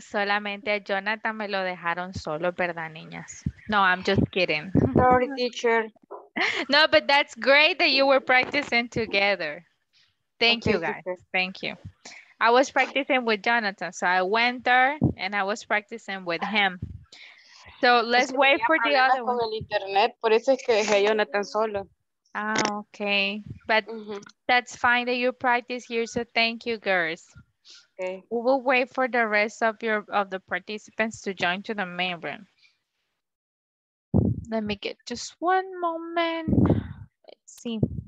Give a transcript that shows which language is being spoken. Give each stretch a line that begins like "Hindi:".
Spanish: Solamente a Jonathan me lo dejaron solo, ¿verdad, niñas?
English: No, I'm just kidding. Sorry, teacher. No, but that's great that you were practicing together. Thank you, guys. Thank you. I was practicing with Jonathan, so I went there and I was practicing with him. So let's wait for the other one.
Spanish: El internet, por eso es que dejé a Jonathan solo.
English: Ah, okay. But that's fine that you practice here, so thank you, girls. Okay. We will wait for the rest of your of the participants to join to the main room. Let me get just one moment. Let's see.